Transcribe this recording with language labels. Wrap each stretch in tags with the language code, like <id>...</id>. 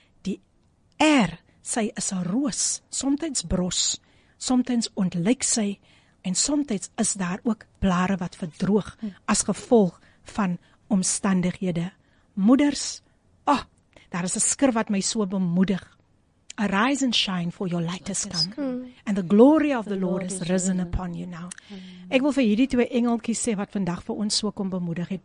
<af>Die R, sy is 'n roos, soms bros, soms ontlyk sy en soms is daar ook blare wat verdroog as gevolg van omstandighede. Moeders, daar is 'n skrif wat my so bemoedig.</af> <en>Arise and shine for your light has come. And the glory of the Lord is risen upon you now.</en> <af>Ek wil vir hierdie twee engeltjies sê wat vandag vir ons so kom bemoedig het.</af>